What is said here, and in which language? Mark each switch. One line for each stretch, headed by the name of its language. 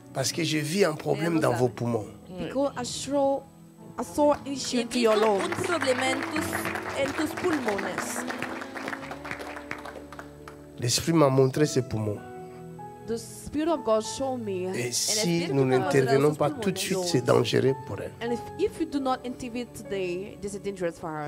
French: Parce que je vis un problème dans vos poumons.
English: Because I saw an issue in your lungs.
Spanish: Un problema en tus pulmones.
French: L'Esprit m'a montré ses poumons.
English: The Spirit of God showed me.
French: Et si nous n'intervenons pas tout de suite, c'est dangereux pour elle.
English: And if you do not intervene today, this is dangerous for her.